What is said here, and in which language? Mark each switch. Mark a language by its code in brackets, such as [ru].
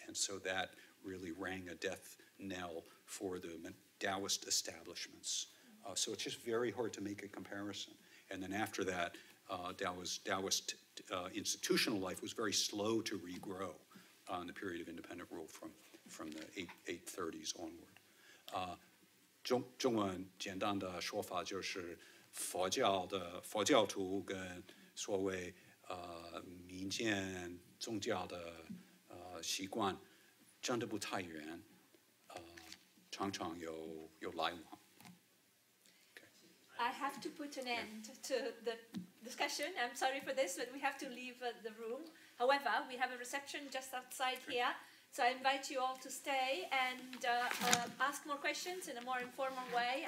[en] And so that really rang a death knell for the Taoist establishments. So it's just very hard to make a comparison. And then after that, Taoist institutional life was very slow to regrow in the period of independent rule from the 830s onward. [zh] 中文简单的说法就是佛教徒跟所谓民间宗教的习惯真的不太远，常常有来往。 [en] I have to put an end to the discussion. I'm sorry for this, but we have to leave the room. However, we have a reception just outside here, so I invite you all to stay and ask more questions in a more informal way.